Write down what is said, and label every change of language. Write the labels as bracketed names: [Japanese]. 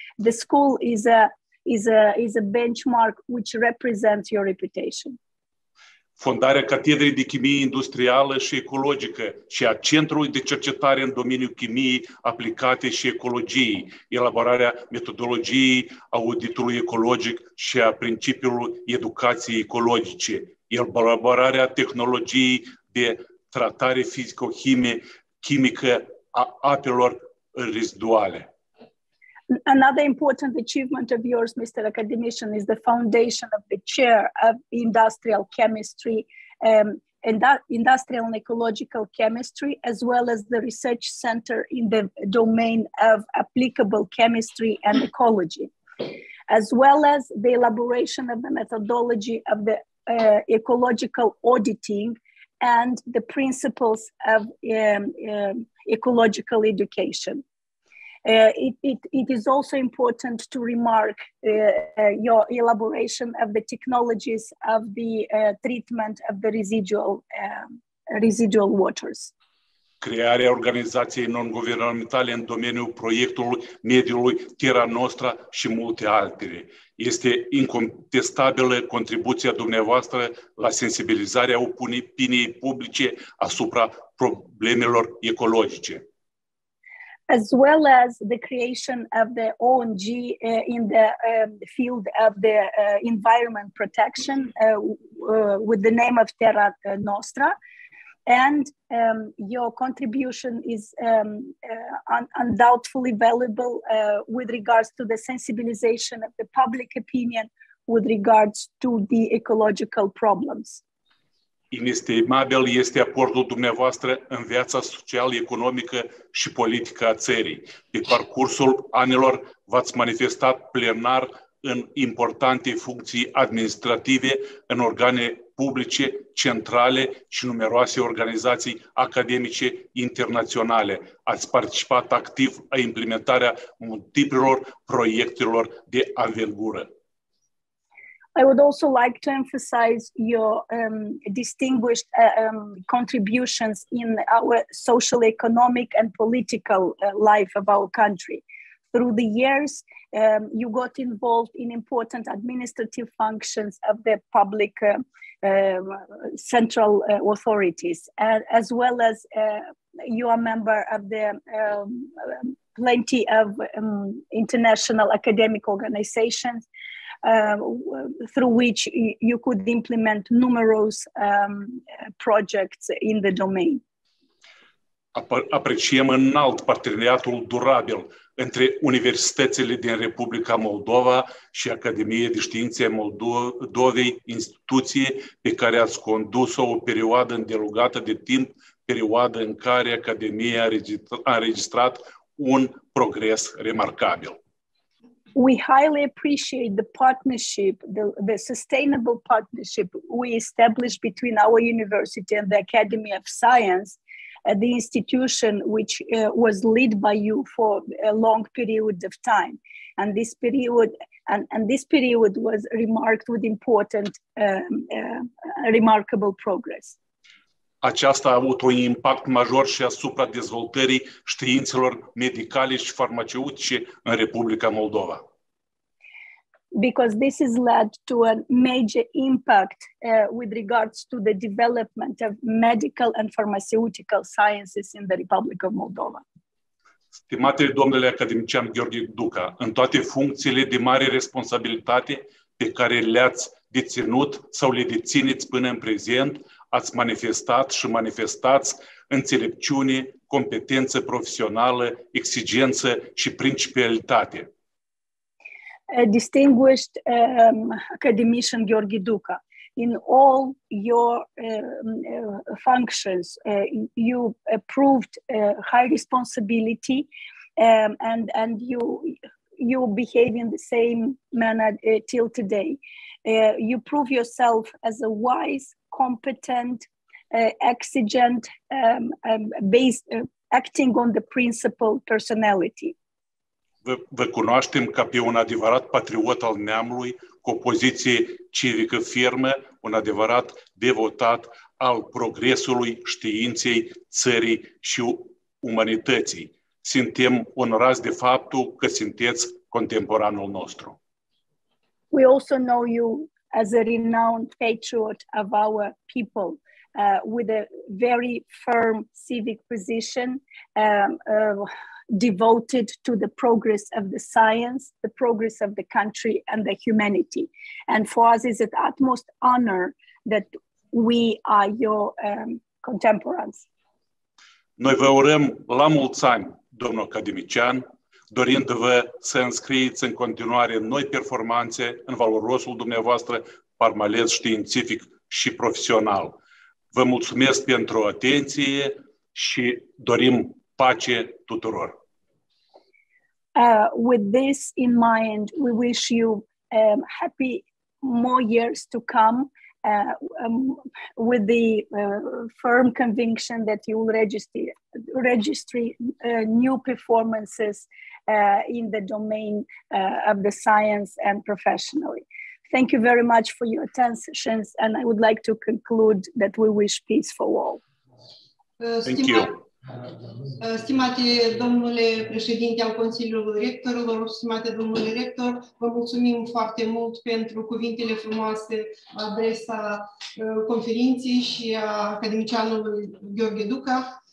[English] The school is a benchmark which represents your reputation. [Romanian] Fondarea Catedrei de Chimie Industrială și Ecologică și a Centrului de Cercetare în domeniul chimiei aplicate și ecologiei, elaborarea metodologiei auditului ecologic și a principiului educației ecologice, elaborarea tehnologiei de tratare fizico-chimică a apelor reziduale. [English] Another important achievement of yours, Mr. Academician, is the foundation of the chair of industrial chemistry and industrial and ecological chemistry, as well as the research center in the domain of applicable chemistry and ecology, as well as the elaboration of the methodology of the ecological auditing and the principles of ecological education. It is also important to remark your elaboration of the technologies of the treatment of the residual waters. [Romanian] Crearea organizației non-guvernamentale în domeniul proiectului mediului Terra Nostra și multe altele. Este incontestabilă contribuția dumneavoastră la sensibilizarea opiniei publice asupra problemelor ecologice. [English] As well as the creation of the ONG in the field of the environment protection with the name of Terra Nostra. And your contribution is undoubtedly valuable with regards to the sensibilization of the public opinion with regards to the ecological problems. [Romanian] Inestimabil este aportul dumneavoastră în viața socială, economică și politică a țării. Pe parcursul anilor v-ați manifestat plenar în importante funcții administrative, în organe publice, centrale și numeroase organizații academice internaționale. Ați participat activ la implementarea multiplor proiectelor de anvergură. [English] I would also like to emphasize your distinguished contributions in our social, economic, and political life of our country. Through the years, you got involved in important administrative functions of the public central authorities, as well as you are a member of the plenty of international academic organizations, through which you could implement numerous projects in the domain. [Romanian] Apreciem înalt parteneriatul durabil între universitățile din Republica Moldova și Academia de Științe a Moldovei, instituție pe care ați condus-o o perioadă îndelungată de timp, perioada în care Academia a înregistrat un progres remarcabil. [English] We highly appreciate the partnership, the sustainable partnership we established between our university and the Academy of Science, the institution which was led by you for a long period of time. And this period and this period was remarked with important, remarkable progress. [Romanian] Aceasta a avut un impact major și asupra dezvoltării științelor medicale și farmaceutice în Republica Moldova. [English] Because this has led to a major impact with regards to the development of medical and pharmaceutical sciences in the Republic of Moldova. [Romanian] Stimate domnule academician Gheorghe Duca, în toate funcțiile de mare responsabilitate pe care le-ați deținut sau le dețineți până în prezent, ați manifestat și manifestați înțelepciune, competență profesională, exigență și principialitate. [English] Distinguished academician Gheorghe Duca, in all your functions, you proved high responsibility and you behave in the same manner till today. You prove yourself as a wise, competent, exigent, based, acting on the principle personality. [Romanian] Vă cunoaștem ca pe un adevărat patriot al neamului, cu o poziție civică fermă, un adevărat devotat al progresului științei, țării și umanității. Suntem onorați de faptul că sunteți contemporanul nostru. [English] We also know you as a renowned patriot of our people, with a very firm civic position, devoted to the progress of the science, the progress of the country and the humanity. And for us is the utmost honor that we are your contemporans. [Romanian] Noi vă urăm la mulți ani, domnul academician, dorindu-vă să înscrieți în continuare noi performanțe în valorosul dumneavoastră, parmalez științific și profesional. Vă mulțumesc pentru atenție și dorim pace tuturor. [English] With this in mind, we wish you happy more years to come with the firm conviction that you will register new performances in the domain of the science and professionally. Thank you very much for your attentions, and I would like to conclude that we wish peace for all. Thank you. [Romanian] Stimate domnule președinte al Consiliului Rectorilor, stimate domnule rector, vă mulțumim foarte mult pentru cuvintele frumoase la adresa conferinței și a academicianului Gheorghe Duca.